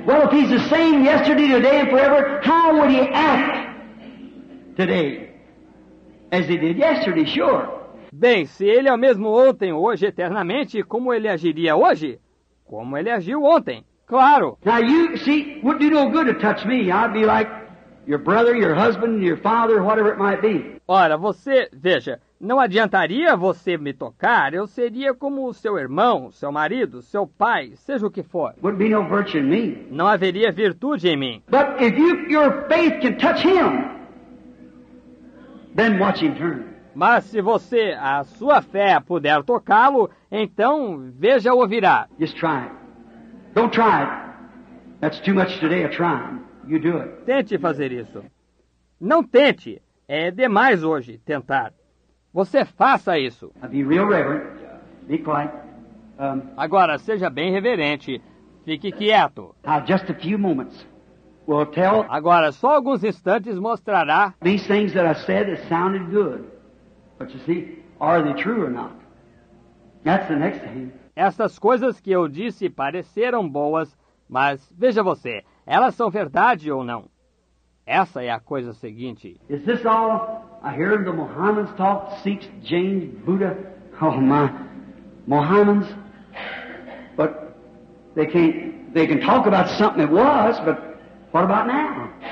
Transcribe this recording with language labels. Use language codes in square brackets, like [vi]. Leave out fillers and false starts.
[en] Well, if he's the same yesterday, today, and forever, how would he act today as he did yesterday? Sure. [pt] Bem, se ele é o mesmo ontem, hoje, eternamente, como ele agiria hoje? Como ele agiu ontem? Claro. [en] Now you see, would do no good to touch me. I'd be like your brother, your husband, your father, whatever it might be. [pt] Ora, você, veja, não adiantaria você me tocar, eu seria como o seu irmão, seu marido, seu pai, seja o que for. [en] Wouldn't be no virtue in me. [pt] Não haveria virtude em mim. [en] But if you, your faith can touch him, then watch him turn. [pt] Mas se você, a sua fé, puder tocá-lo, então veja ou virá. [en] Just try it. Don't try it. That's too much today of trying. You do it. [pt] Tente fazer isso. Não tente. É demais hoje tentar. Você faça isso. [en] Be real reverent. Be quiet. [pt] Agora, seja bem reverente. Fique quieto. [en] Just a few moments will tell. [pt] Agora, só alguns instantes mostrará. [en] These things that I said that sounded good. But you see, are they true or not? That's the next thing. [pt] Essas coisas que eu disse pareceram boas, mas veja você, elas são verdade ou não? Essa é a coisa seguinte. [en] Is this all I hear in the Mohammedans talk, Sikhs, Jains, Buddha? Oh my, Mohammedans. But they can't, they can talk about something it was, but what about now?